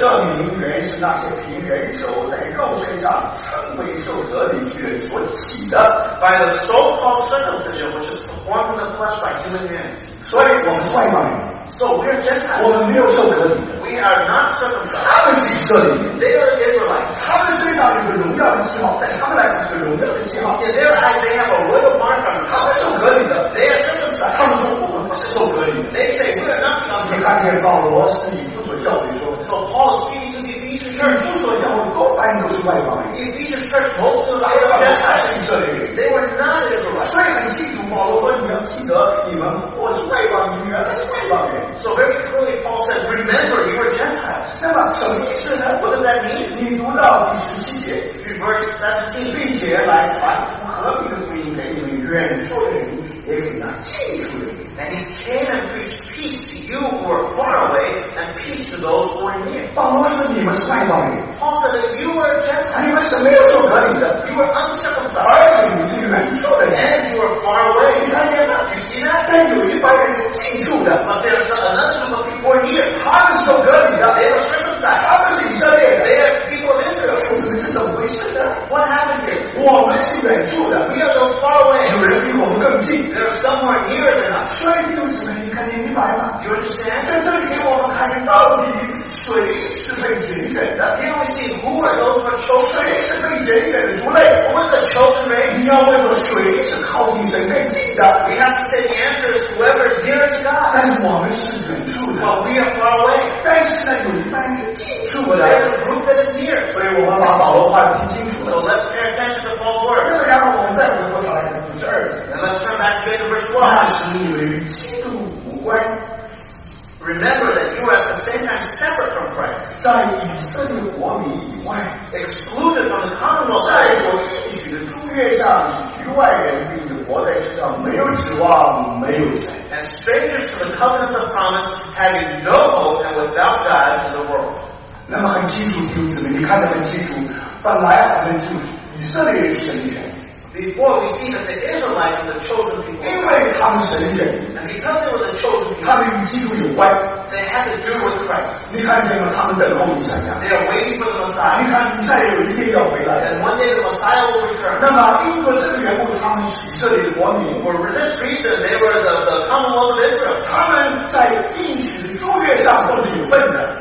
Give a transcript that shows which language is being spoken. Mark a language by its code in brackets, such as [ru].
[zh] 这名原是那些凭人手在肉身上称为受割礼之人所起的。 [en] By the so-called circumcision, which is performed in the flesh by human hands. [zh] 所以我们是外邦人。 [en] So we are Gentiles. [zh] 我们没有受割礼的。 [en] We are not circumcised. [zh] 他们是以色列人。 [en] They are Israelites. [zh] 他们身上有个荣耀的记号，在他们来说是荣耀的记号。 [en] In their eyes, they have a royal mark on them. [zh] 他们受割礼的。 [en] They are circumcised. [zh] 他们说我们不是受割礼的。 [en] They say we are not circumcised. [zh] 你看见保罗是以弗所教会说。 [en] So Paul is speaking to the Ephesian church. [zh] 以弗所教会多半都是外邦人。 [en] The Ephesian church most of the time are Gentiles. They were not Israelites. [zh] 所以很清楚，保罗说你要记得你们，我是外邦人，原来是外邦人。 [en] So very clearly Paul says, remember, you are Gentiles. [zh] 那么什么意思呢？ [en] What does that mean? [zh] 你读到第十七节， [en] verse 17, [zh] 并且来传福音和平的福音给你们远处的人，也给那近处的人。 [en] And he came and preached peace to you who are far away, and peace to those who are near. [zh] 保罗说你们是外邦人。 [en] Paul said that you are Gentiles. [zh] 你们是没有受割礼的。 [en] You are uncircumcised. [zh] 而且你是远处的人。 [en] And you are far away. [zh] 你看见吗？但有一般人是记住的。 [en] But there is another group of people here. [zh] 他们是受割礼的。 [en] They are circumcised. [zh] 他们是以色列的。 [en] They are people of Israel. [zh] 我们是怎么回事呢？ [en] What happened here? [zh] 我们是远处的。 [en] We are those far away. [zh] 有人比我们更近。 [en] There are somewhere nearer than us. [zh] 所以弟兄姊妹，你肯定明白吗？ [en] You understand? [zh] 在这里给我们看见到底谁是被拣选的。 [en] Here we see who are those who are chosen. [zh] 谁是被拣选的族类？ [en] Who is the chosen race? [zh] 你要问我谁是靠近神更近的？ [en] We have to say the answer is whoever is near to God. [zh] 但是我们是远处的。 [en] But we are far away. [zh] 但是呢，有一般人近处的。 [en] There is a group that is near. [zh] 所以我们把保罗话听清楚了。 [en] So let's pay attention to Paul's words. [zh] 那么然后我们再回过头来看第十二节。 [en] And let's turn back to verse 1. [zh] 那时你以为与基督无关。 [en] Remember that you are at the same time separate from Christ. [zh] 在以色列国民以外。 [en] Excluded from the commonwealth. [zh] 在所应许的诸约上是局外人，并且活在世上没有指望，没有神。 [en] And strangers to the covenants of promise, having no hope and without God in the world. [zh] 那么很清楚，弟兄姊妹，你看得很清楚，本来好像就是以色列人神选。 [en] Before we see that the Israelites were the chosen people. [zh] 因为他们神选。 [en] And because they were the chosen people. [zh] 他们与基督有关。 [en] They had to do with Christ. [zh] 你看见吗？他们等候弥赛亚。 [en] They are waiting for the Messiah. [zh] 你看弥赛亚有一天要回来。 [en] And one day the Messiah will return. [zh] 那么因为这个缘故，他们是以色列的国民。 [en] For this reason, they were the commonwealth of Israel. [zh] 他们在应许的诸约上都是有份的。